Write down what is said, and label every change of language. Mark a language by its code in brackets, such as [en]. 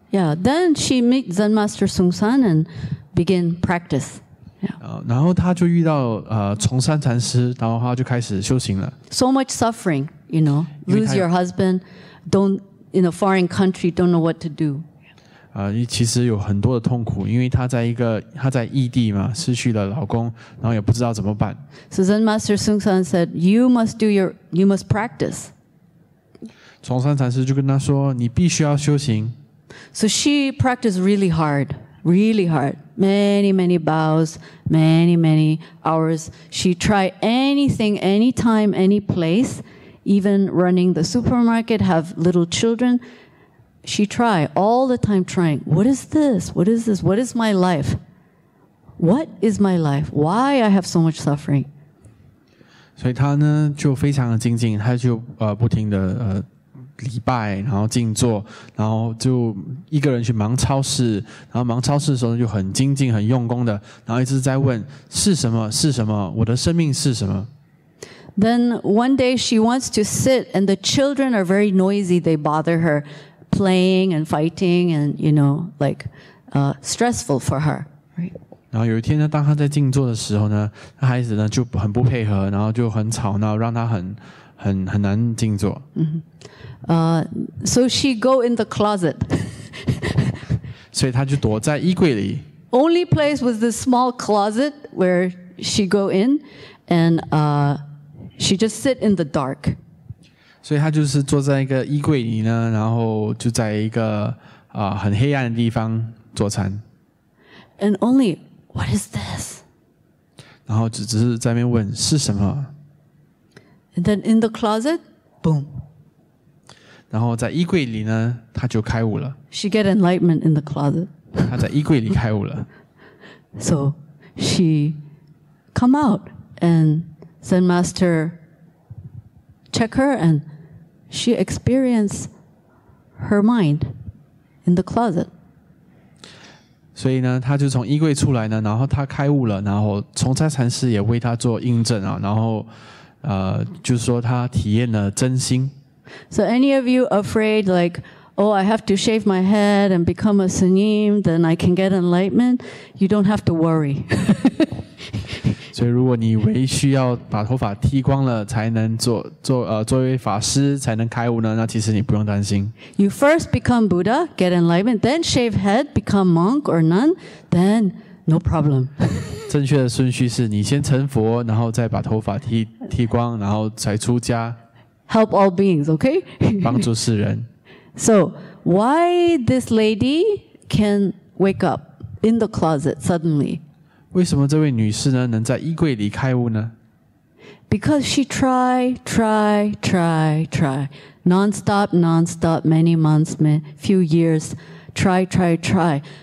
[en] Yeah, then she meets Zen Master Sung San and begin practice. [zh] 然后他就遇到崇山禅师，然后他就开始修行了。 [en] So much suffering, you know, lose your husband, don't in a foreign country, don't know what to do. [zh] 其实有很多的痛苦，因为他在异地嘛，失去了老公，然后也不知道怎么办。 [en] So Zen Master Sung San said, "You must practice." [zh] 崇山禅师就跟他说，你必须要修行。 [en] So she practiced really hard. Really hard. Many, many bows, many, many hours. She tried anything, anytime, any place, even running the supermarket, have little children. She tried all the time trying. What is this? What is this? What is my life? What is my life? Why I have so much suffering? [zh] 所以她呢就非常的精进，她就不停的礼拜，然后静坐，然后就一个人去忙超市，然后忙超市的时候就很精进、很用功的，然后一直在问是什么、是什么，我的生命是什么。 [en] Then one day she wants to sit, and the children are very noisy. They bother her, playing and fighting, and you know, like, stressful for her, right? [zh] 然后有一天呢，当他在静坐的时候呢，孩子呢就很不配合，然后就很吵闹，让他很难静坐。 [en] So she go in the closet. [zh] 所以他就躲在衣柜里。 [en] Only place was this small closet where she go in, and she just sit in the dark. [zh] 所以他就是坐在一个衣柜里呢，然后就在一个很黑暗的地方坐禅。 [en] And only. What is this? [zh] 然后只是在那边问是什么。 [en] And then in the closet, boom. [zh] 然后在衣柜里呢，他就开悟了。 [en] She get enlightenment in the closet. [zh] 他在衣柜里开悟了。 [en] So she come out and Zen Master check her and she experience her mind in the closet. [zh] 所以呢，他就从衣柜出来呢，然后他开悟了，然后崇山禅师也为他做印证啊，然后就是说他体验了真心。 [en] So any of you afraid like, oh, I have to shave my head and become a sunim, then I can get enlightenment? You don't have to worry. [zh] 所以如果你唯需要把头发剃光了才能作为法师才能开悟呢，那其实你不用担心。 [en] You first become Buddha, get enlightenment, then shave head, become monk or nun, then no problem. [zh] 正确的顺序是你先成佛，然后再把头发剃光，然后才出家。 [en] Help all beings, okay? [zh] 帮助世人。 [en] So why this lady can wake up in the closet suddenly? [zh] 为什么这位女士呢能在衣柜里开悟呢？ [en] Because she try, non-stop, many months, few years, try.